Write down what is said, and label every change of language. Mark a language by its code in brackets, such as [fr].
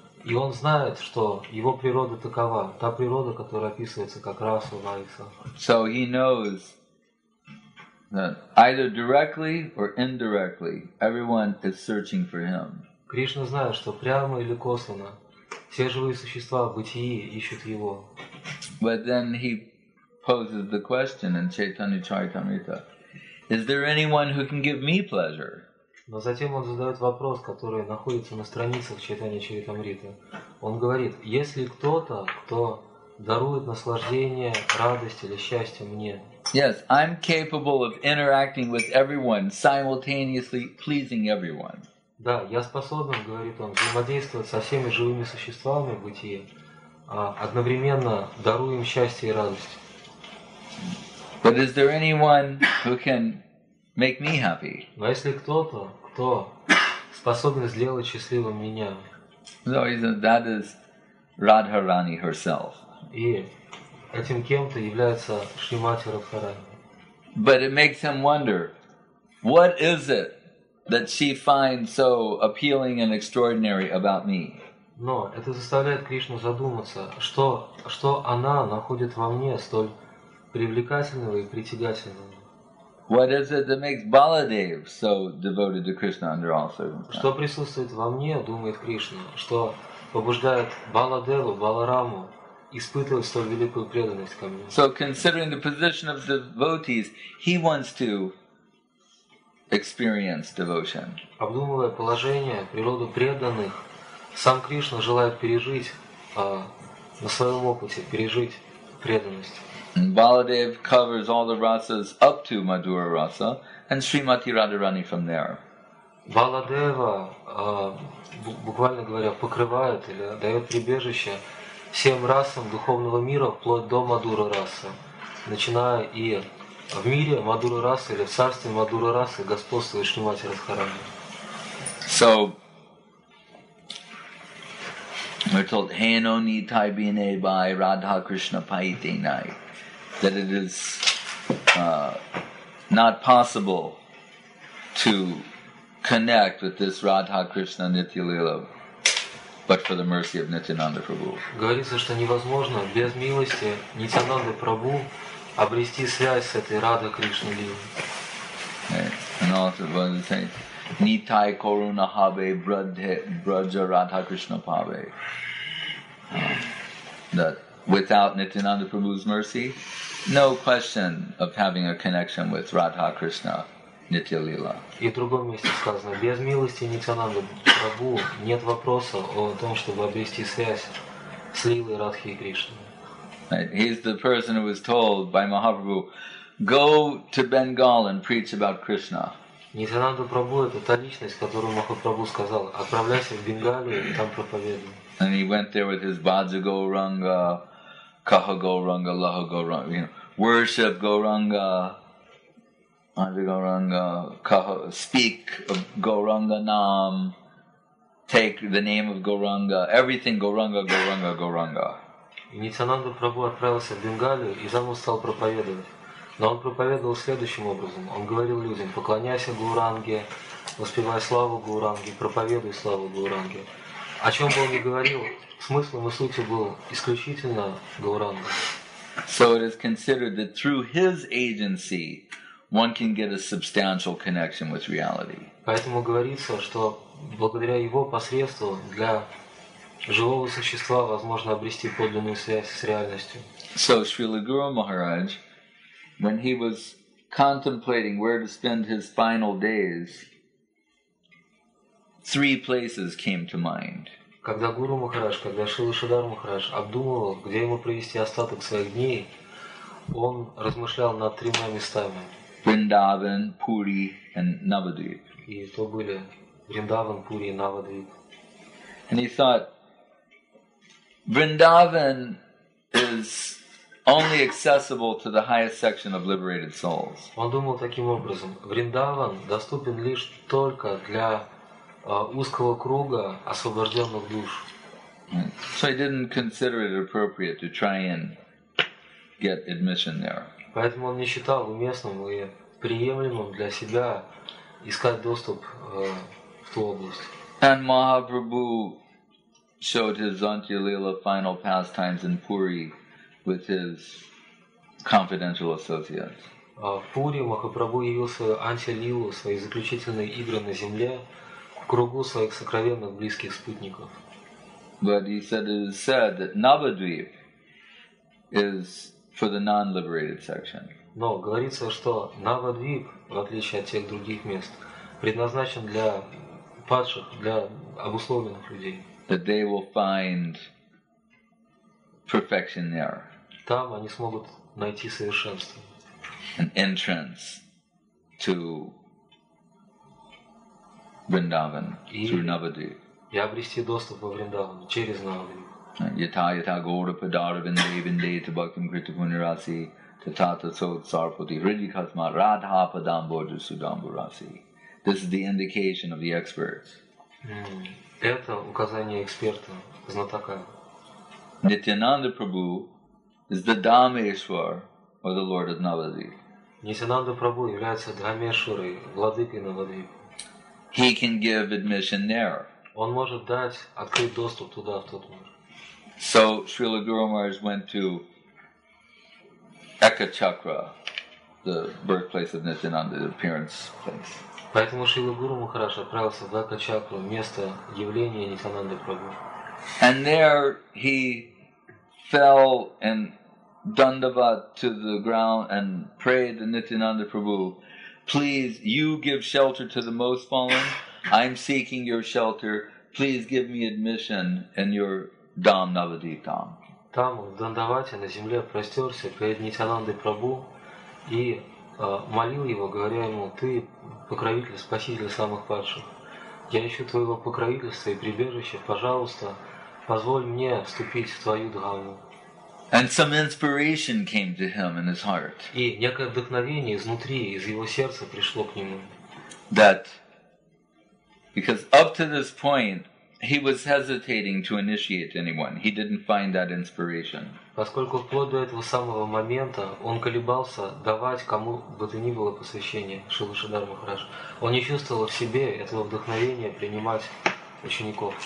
[ru] И он знает, что его природа такова, та природа, которая описывается как раса Вайса. [en] So he knows that either directly or indirectly, everyone is searching for him. [ru] Кришна знает, что прямо или косвенно все живые существа в бытии ищут его. [en] But then he poses the question in Chaitanya Charitamrita: Is there anyone who can give me pleasure? [ru] Но затем он задает вопрос, который находится на страницах Чайтанья Чаритамриты. Он говорит, есть ли кто-то, кто дарует наслаждение, радость или счастье мне? [en] Yes, I'm capable of interacting with everyone, simultaneously pleasing everyone. [ru] Да, я способен, говорит он, взаимодействовать со всеми живыми существами в бытии, одновременно даруя им счастье и радость. [en] But is there anyone who can make me happy? [ru] Но если кто-то, кто способен сделать счастливым меня? [en] So that is Radharani herself. [ru] И этим кем-то является Шримати Радхарани. [en] But it makes him wonder, what is it that she finds so appealing and extraordinary about me? [ru] Но это заставляет Кришну задуматься, что она находит во мне столь привлекательного и притягательного. [en] What is it that makes Baladev so devoted to Krishna under all circumstances? [ru] Что присутствует во мне, думает Кришна, что побуждает Баладеву, Балараму испытывать столь великую преданность ко мне? [en] So considering the position of devotees, he wants to experience devotion. [ru] Обдумывая положение, природу преданных, сам Кришна желает пережить на своем опыте пережить преданность. [en] Baladev covers all the rasas up to Madhura rasa and Srimati Radharani from there. [ru] Baladeva, буквально говоря, покрывает или дает прибежище всем расам духовного мира вплоть до Мадхура расы, начиная и в мире Мадхура расы или в царстве Мадхура расы господствует Шримати Радхарани. [en] So we're told [bn] Heno ni taibine by Radha Krishna paiti nai. [en] That it is not possible to connect with this Radha Krishna Nityalila, but for the mercy of Nityananda Prabhu. [ru] Говорится, что невозможно без милости Нитянанды Прабху обрести связь с этой Радха Кришна Лилой. [en] And also what is saying, [bn] Nitai Koruna Habe Braja Radha Krishna Pave. [en] That without Nityananda Prabhu's mercy, no question of having a connection with Radha Krishna Nityalila. [ru] И в другом месте сказано, без милости Нитянанды Прабху нет вопроса о том, чтобы обрести связь с Лилой Радхи Кришны. [en] He's the person who was told by Mahaprabhu, go to Bengal and preach about Krishna. [ru] Нитянанда Прабху это та личность, которую Махапрабху сказал, отправляйся в Бенгалию и там проповедуй. [en] And he went there with his [bn] Баджа Гауранга, Kaha Gauranga, Laha Gauranga, [en] you know, worship Gauranga, [bn] Adi Gauranga, Kaha, [en] speak of Gauranga Nam, take the name of Gauranga, everything Gauranga, Gauranga, Gauranga. [ru] Nityananda Prabhu отправился в Бенгалию и сам стал проповедовать. Но он проповедовал следующим образом. Он говорил людям, поклоняйся Гауранге, воспевай славу Гауранге, проповедуй славу Гауранге. О чем бы он ни говорил, смыслом и сутью был исключительно Гауранга. [en] So it is considered that through his agency one can get a substantial connection with reality. [ru] Поэтому говорится, что благодаря его посредству для живого существа возможно обрести подлинную связь с реальностью. [en] So Srila Guru Maharaj, when he was contemplating where to spend his final days, three places came to mind. [ru] Когда Гуру Махарадж, когда Шрила Шридхар Махарадж обдумывал, где ему провести остаток своих дней, он размышлял над тремя местами. Вриндаван, Пури и Навадвип. И то были Вриндаван, Пури и Навадвип. [en] And he thought, Vrindavan is only accessible to the highest section of liberated souls. [ru] Он думал таким образом, Вриндаван доступен лишь только для узкого круга освобожденных душ. [en] So he didn't consider it appropriate to try and get admission there. [ru] Поэтому он не считал уместным и приемлемым для себя искать доступ в ту область. [en] And Mahaprabhu showed his Antyalila final pastimes in Puri with his confidential associates. [ru] В Пури Махапрабху явил свою Антилилу, свои заключительные игры на земле. Кругу своих сокровенных близких спутников. [en] But he said it is said that Navadvip is for the non-liberated section. [ru] Но говорится, что Навадвип, в отличие от тех других мест, предназначен для падших, для обусловленных людей. [en] That they will find perfection there. [ru] Там они смогут найти совершенство. [en] An entrance to Vrindavan through Navadvip. [ru] И обрести доступ во Вриндаван через Навадвип. [sa] Yata yata gaura padara vindai vindai tabakim krita punirasi tatata sot sarpati hridikasma radha padambodhu sudamburasi. [en] This is the indication of the experts. [ru] Это указание эксперта, знатока. [en] Nityananda Prabhu is the Dhameshwar or the Lord of Navadvip. [ru] Nityananda Prabhu является Dhameshwarой, владыкой Навадвип. [en] He can give admission there. [ru] Он может дать открыть доступ туда, в тот мир. [en] So Srila Guru Maharaj went to Ekachakra, the birthplace of Nityananda, the appearance place. [ru] Поэтому Шрила Гуру Махарадж отправился в Дакачакру, место явления Нитянанды Прабху. [en] And there he fell in Dandavat to the ground and prayed to Nityananda Prabhu, please, you give shelter to the most fallen. I'm seeking your shelter. Please give me admission in your Dham Navadvip Dham. [ru] Там, в Дандавате, на земле, простерся перед Нитянандой Прабху и молил его, говоря ему, ты покровитель, спаситель самых падших. Я ищу твоего покровительства и прибежища. Пожалуйста, позволь мне вступить в твою Дхаму. [en] And some inspiration came to him in his heart. [ru] И некое вдохновение изнутри, из его сердца пришло к нему. [en] That, because up to this point, he was hesitating to initiate anyone. He didn't find that inspiration. [ru] Поскольку вплоть до этого самого момента он колебался давать кому бы то ни было посвящение Шрилы Шридхара Махарадж. Он не чувствовал в себе этого вдохновения принимать учеников.